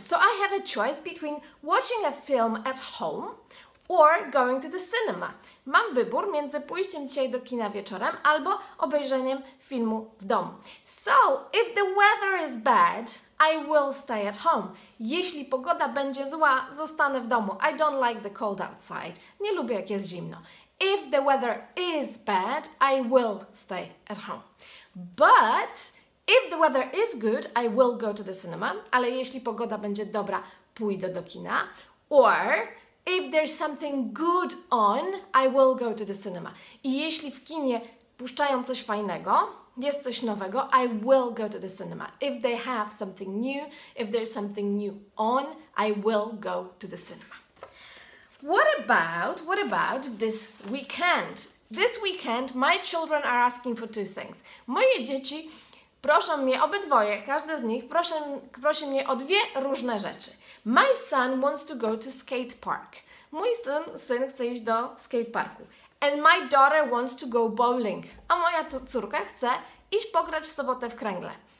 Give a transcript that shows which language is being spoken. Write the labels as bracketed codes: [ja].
[en] So I have a choice between watching a film at home or going to the cinema. [pl] Mam wybór między pójściem dzisiaj do kina wieczorem albo obejrzeniem filmu w domu. [en] So if the weather is bad, I will stay at home. [pl] Jeśli pogoda będzie zła, zostanę w domu. [en] I don't like the cold outside. [pl] Nie lubię, jak jest zimno. [en] If the weather is bad, I will stay at home. But if the weather is good, I will go to the cinema. [pl] Ale jeśli pogoda będzie dobra, pójdę do kina. [en] Or if there's something good on, I will go to the cinema. [pl] I jeśli w kinie puszczają coś fajnego, jest coś nowego, [en] I will go to the cinema. If they have something new, if there's something new on, I will go to the cinema. What about this weekend? This weekend my children are asking for two things. [pl] Moje dzieci proszą mnie, obydwoje, każde z nich prosi mnie o dwie różne rzeczy. [en] My son wants to go to skate park. [pl] Mój syn chce iść do skate parku. [en] And my daughter wants to go bowling. [pl] A moja córka chce iść pograć w sobotę w kręgle.